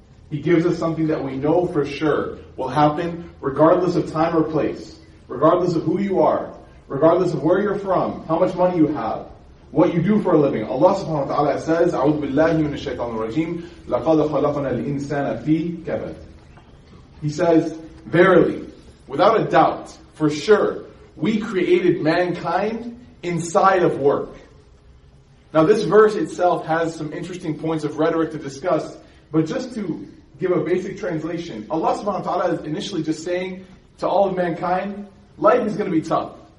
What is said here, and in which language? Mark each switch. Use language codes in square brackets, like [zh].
[en] He gives us something that we know for sure will happen regardless of time or place, regardless of who you are, regardless of where you're from, how much money you have, what you do for a living. Allah subhanahu wa ta'ala says, [ar] أعوذ بالله من الشيطان الرجيم لقد خلقنا الإنسان في كبد. [en] He says, verily, without a doubt, for sure, we created mankind inside of work. Now this verse itself has some interesting points of rhetoric to discuss, but just to give a basic translation, Allah subhanahu wa ta'ala is initially just saying to all of mankind, life is going to be tough.